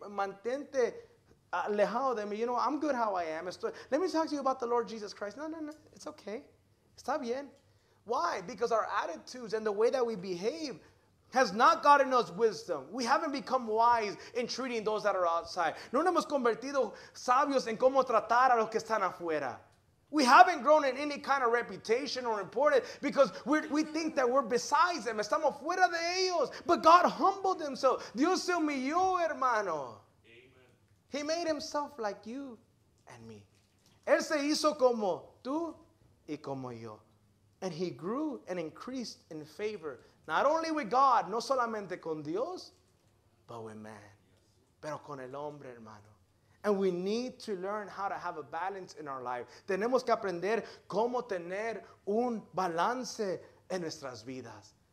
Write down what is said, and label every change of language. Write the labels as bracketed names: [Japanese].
[Spanish] Mantente alejado de mí. [English] You know, I'm good how I am. Let me talk to you about the Lord Jesus Christ. No, it's okay. [Spanish] Está bien. [English] Why? Because our attitudes and the way that we behave has not gotten us wisdom. We haven't become wise in treating those that are outside. [Spanish] No nos hemos convertido sabios en cómo tratar a los que están afuera. [English] We haven't grown in any kind of reputation or importance because we think that we're beside them. [Spanish] Estamos fuera de ellos. [English] But God humbled himself. [Spanish] Dios se humilló, hermano. [English] Amen. He made himself like you and me. [Spanish] Él se hizo como tú y como yo. [English] And he grew and increased in favor, not only with God, [Spanish] no solamente con Dios, [English] but with man. [Spanish] Pero con el hombre, hermano. [English] And we need to learn how to have a balance in our life. [Spanish] Tenemos que aprender cómo tener un balance en nuestras vidas.